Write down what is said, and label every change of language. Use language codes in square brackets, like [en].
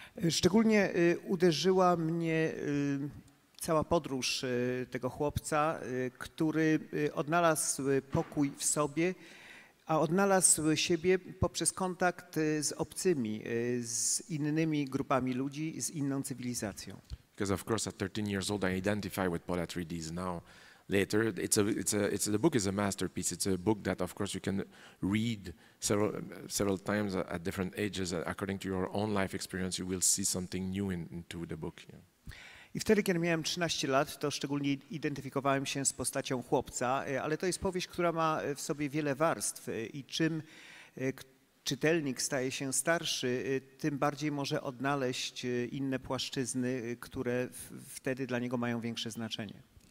[pl] Szczególnie uderzyła mnie cała podróż tego chłopca, który odnalazł pokój w sobie, a odnalazł siebie poprzez kontakt z obcymi, z innymi grupami ludzi, z inną cywilizacją. [en] Because of course at 13 years old I identify with Paul Atreides now. Later, the book is a masterpiece. It's a book that of course you can read several times at different ages. According to your own life experience, you will see something new into the book. Yeah. [pl] I wtedy, kiedy miałem 13 lat, to szczególnie identyfikowałem się z postacią chłopca, ale to jest powieść, która ma w sobie wiele warstw I czym czytelnik staje się starszy, tym bardziej może odnaleźć inne płaszczyzny, które wtedy dla niego mają większe znaczenie.